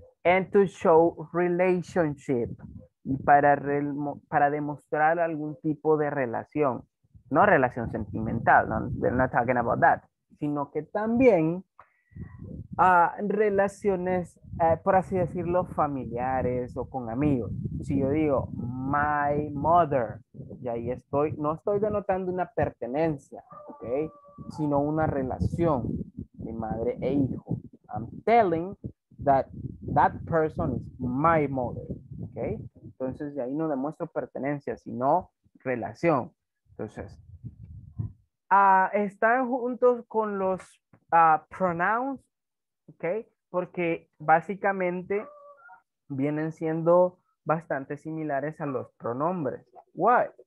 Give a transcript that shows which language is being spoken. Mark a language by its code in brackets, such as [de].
[en] And to show relationship, [es] y para demostrar algún tipo de relación, no relación sentimental, no, [en] we're not talking about that, [es] sino que también relaciones, por así decirlo, familiares o con amigos. Si yo digo [en] my mother, [es] y ahí estoy, no estoy denotando una pertenencia, okay, sino una relación de madre e hijo. [en] I'm telling that person is my mother, okay. [es] Entonces de ahí no demuestro pertenencia, sino relación. Entonces, están juntos con los pronouns, ok, porque básicamente vienen siendo bastante similares a los pronombres. [en] Why?